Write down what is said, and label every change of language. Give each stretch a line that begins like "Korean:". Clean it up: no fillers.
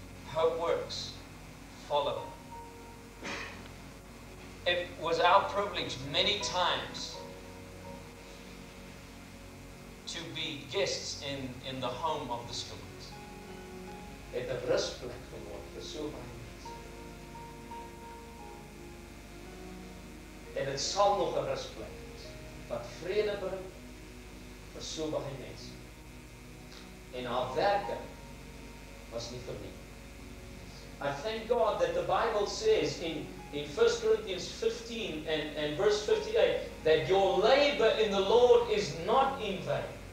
English: Her works follow. It was our privilege many times to be guests in the home of the Schumanns.
Afrikaans: Het 'n rusplek geword vir so baie mense. En dit sal nog 'n rusplek wees wat vrede bring vir so baie mense. En haar werke was nie vir nie.
English: I thank God that the Bible says in 1 Corinthians 15 and verse 58 that your labor in the Lord is not in vain.